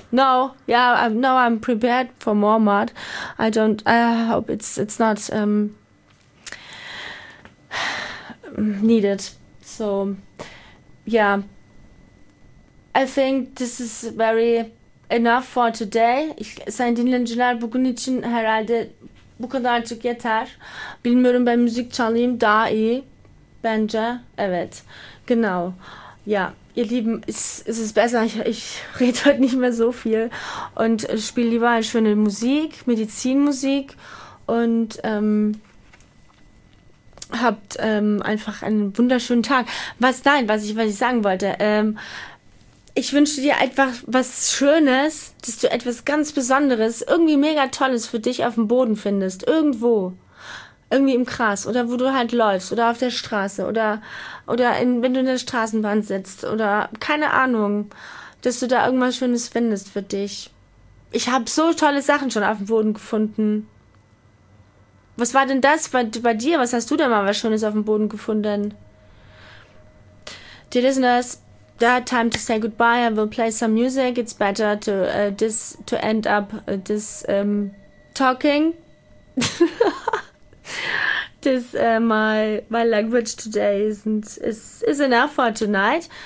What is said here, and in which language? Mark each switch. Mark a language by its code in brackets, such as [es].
[en] I'm prepared for more mud. I hope it's not needed. So, yeah. I think this is very enough for today. [tr] Sayın dinleyiciler, bugün için herhalde bu kadarcık yeter. Bilmiyorum, ben müzik çalayım daha iyi. Bence evet. [de] Genau. Ja, ihr Lieben, es ist besser. Ich rede heute nicht mehr so viel und spiele lieber eine schöne Musik, Medizinmusik und habt einfach einen wunderschönen Tag. Was ich sagen wollte, ich wünsche dir einfach was Schönes, dass du etwas ganz Besonderes, irgendwie mega Tolles für dich auf dem Boden findest. Irgendwo. Irgendwie im Gras oder wo du halt läufst oder auf der Straße oder in, wenn du in der Straßenbahn sitzt oder keine Ahnung, dass du da irgendwas Schönes findest für dich. Ich habe so tolle Sachen schon auf dem Boden gefunden. Was war denn das bei dir? Was hast du da mal was Schönes auf dem Boden gefunden? [en] Dear listeners, time to say goodbye. I will play some music. It's better to end up this talking. This my language today is enough for tonight.